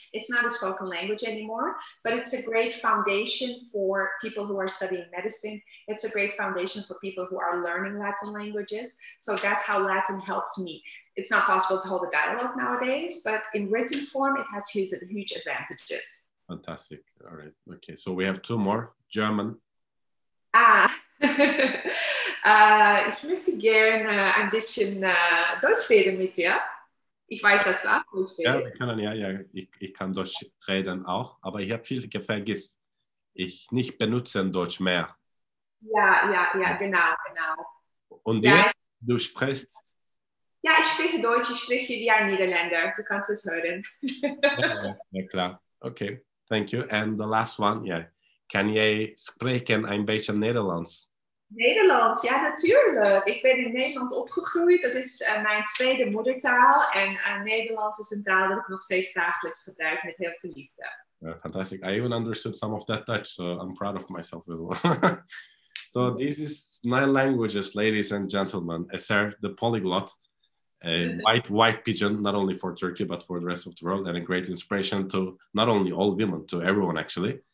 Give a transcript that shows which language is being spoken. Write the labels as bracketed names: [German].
[English] It's not a spoken language anymore, but it's a great foundation for people who are studying medicine. It's a great foundation for people who are learning Latin languages. So that's how Latin helped me. It's not possible to hold a dialogue nowadays, but in written form, it has huge advantages. Fantastic. All right. Okay. So we have two more. German. [German] Ich möchte gerne ein bisschen Deutsch reden mit dir. Ich weiß, dass du auch Deutsch Ja, redest. ich kann Deutsch reden auch, aber ich habe viel vergisst. Ich nicht benutze Deutsch mehr. Ja, genau. Und Ja, dir? Du sprichst? ich spreche Deutsch, ich spreche wie ein Niederländer. Du kannst es hören. Ja, klar. [English] Okay. Thank you. And the last one, yeah. [Dutch] Kan jij spreken een beetje Nederlands? Nederlands, ja natuurlijk. Ik ben in Nederland opgegroeid. Dat is mijn tweede moedertaal. En Nederlands is een taal dat ik nog steeds dagelijks gebruik met heel veel liefde. [English] Fantastic. I even understood some of that Dutch, so I'm proud of myself as well. So this is nine languages, ladies and gentlemen. Esther, the polyglot, a white pigeon, not only for Turkey, but for the rest of the world, and a great inspiration to not only all women, to everyone actually.